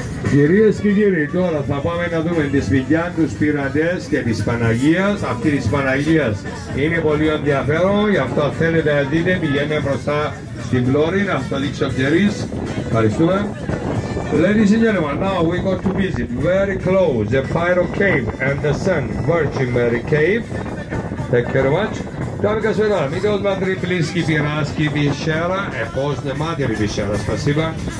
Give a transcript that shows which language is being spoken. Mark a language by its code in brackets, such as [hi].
[el] Κυρίες και κύριοι, τώρα θα πάμε να δούμε τη σπηλιά του Σπυραντές και της Παναγίας. Αυτή της Παναγίας είναι πολύ ενδιαφέρον, γι' αυτό θέλετε να δείτε, πηγαίνετε μπροστά στην Πλώρη, να το δείξει ο Κερίς. Ευχαριστούμε. [en] Ladies and gentlemen, now we go to visit very close the Pyro Cave and the Saint Virgin Mary Cave. Thank you very much. Τώρα καθένα, μην το σμαντρή πλήσκη πειράσκη πισέρα, εφόσον μάτια πισέρα, σπασίβα.